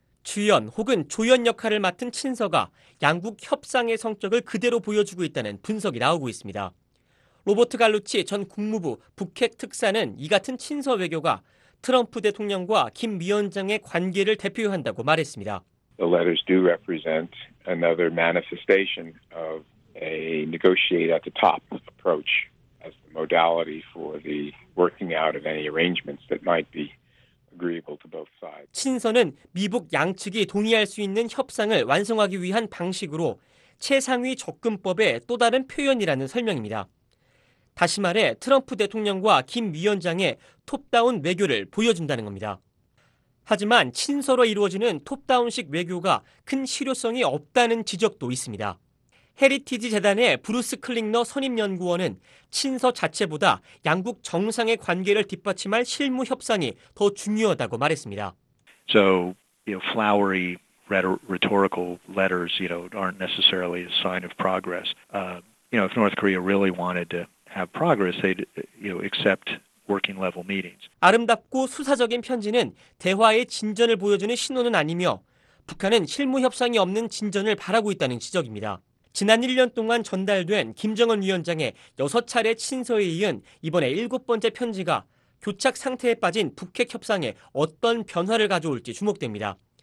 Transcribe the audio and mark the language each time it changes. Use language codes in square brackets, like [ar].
[ko] 주연 혹은 조연 역할을 맡은 친서가 양국 협상의 성격을 그대로 보여주고 있다는 분석이 나오고 있습니다. 로버트 갈루치 전 국무부 북핵특사는 이 같은 친서 외교가 트럼프 대통령과 김 위원장의 관계를 대표한다고 말했습니다. [en] The letters do represent another manifestation of a negotiate at the top approach. As the modality for the working out of any arrangements that might be agreeable to both sides. [ko] 친서는 미북 양측이 동의할 수 있는 협상을 완성하기 위한 방식으로 최상위 접근법의 또 다른 표현이라는 설명입니다. 다시 말해 트럼프 대통령과 김 위원장의 톱다운 외교를 보여준다는 겁니다. 하지만 친서로 이루어지는 톱다운식 외교가 큰 실효성이 없다는 지적도 있습니다. 헤리티지 재단의 브루스 클링너 선임연구원은 친서 자체보다 양국 정상의 관계를 뒷받침할 실무 협상이 더 중요하다고 말했습니다. [en] So, you know, flowery rhetorical letters, you know, aren't necessarily a sign of progress. You know, if North Korea really wanted to have progress, they'd, you know, accept working level meetings. [ko] 아름답고 수사적인 편지는 대화의 진전을 보여주는 신호는 아니며 북한은 실무 협상이 없는 진전을 바라고 있다는 지적입니다. 지난 1년 동안 전달된 김정은 위원장의 6차례 친서에 이은 이번에 7번째 편지가 교착 상태에 빠진 북핵 협상에 어떤 변화를 가져올지 주목됩니다.